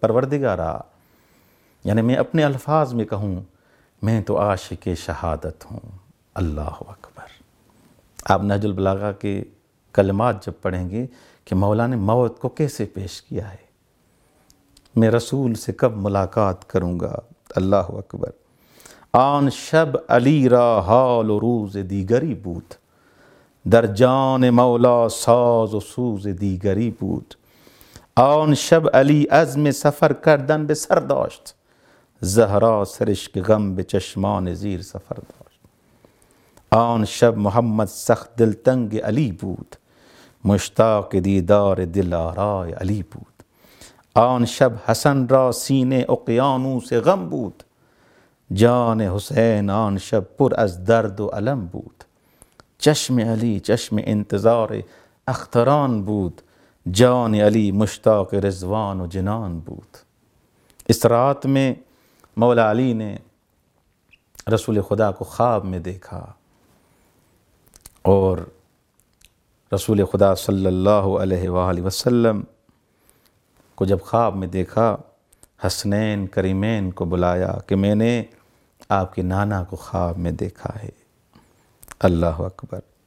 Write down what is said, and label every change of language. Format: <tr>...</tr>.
<ur>پروردگارا، یعنی میں اپنے الفاظ میں کہوں، میں تو عاشق شہادت ہوں. اللہ اکبر. آپ نہج البلاغہ کے کلمات جب پڑھیں گے کہ مولا نے موت کو کیسے پیش کیا ہے، میں رسول سے کب ملاقات کروں گا. اللہ اکبر.</ur> <fa>آن شب علی را حال و روز دیگری بود، در جان مولا ساز و سوز دیگری بود. آن شب علی عزم سفر کردن به سر داشت، زهرا سرشک غم به چشمان زیر سفر داشت. آن شب محمد سخت دلتنگ علی بود، مشتاق دیدار دل آرای علی بود. آن شب حسن را سینه اقیانوس غم بود، جان حسین آن شب پر از درد و علم بود. چشم علی چشم انتظار اختران بود، جان علی مشتاق رضوان و جنان بود.</fa> <ur>اس رات میں مولا علی نے رسول خدا کو خواب میں دیکھا، اور رسول خدا صلی اللہ علیہ وآلہ وسلم کو جب خواب میں دیکھا، حسنین کریمین کو بلایا کہ میں نے آپ کے نانا کو خواب میں دیکھا ہے. اللہ اکبر.</ur>